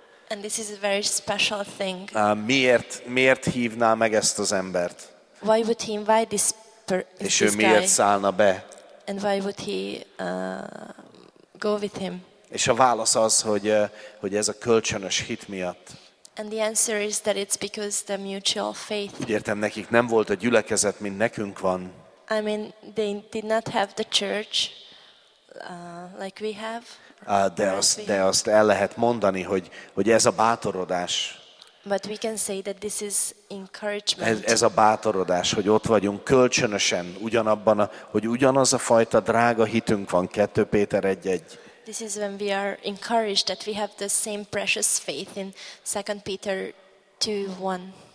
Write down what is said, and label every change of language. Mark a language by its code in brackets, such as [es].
[en] And this is a very special thing. [hu] Miért hívná meg ezt az embert? [en] Why would he invite this guy? [hu] És ő miért szállna be? [en] And why would he go with him? [hu] És a válasz az, hogy ez a kölcsönös hit miatt. [en] And the answer is that it's because the mutual faith. [hu] Úgy értem, nekik nem volt a gyülekezet, mint nekünk van. [en] I mean, they did not have the church like we have. [hu] De azt el lehet mondani, hogy ez a bátorodás. [en] But we can say that this is encouragement. [hu] Ez a bátorodás, hogy ott vagyunk kölcsönösen, ugyanaz a fajta drága hitünk van, 2 Péter 1:1. [en] This is when we are encouraged that we have the same precious faith in 2 Peter 2:1.